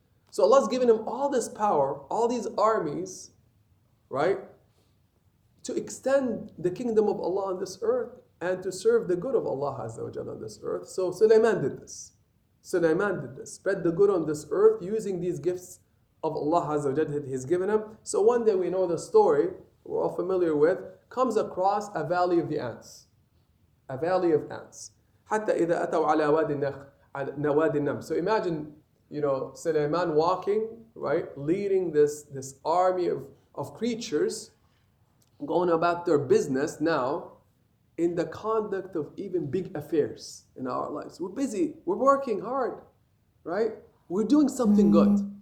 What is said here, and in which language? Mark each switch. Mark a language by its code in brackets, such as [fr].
[en] So Allah's given him all this power, all these armies, right, to extend the kingdom of Allah on this earth and to serve the good of Allah Azza wa Jalla on this earth. So Sulaiman did this. Spread the good on this earth using these gifts of Allah Azza wa Jalla that He's given him. So one day we know the story, we're all familiar with, comes across a valley of the ants. A valley of ants. [ar] حتى إذا أتوا على وادي النمل. [en] So imagine, you know, Sulaiman walking, right, leading this army of creatures, going about their business now, in the conduct of even big affairs in our lives. We're busy. We're working hard, right? We're doing something good.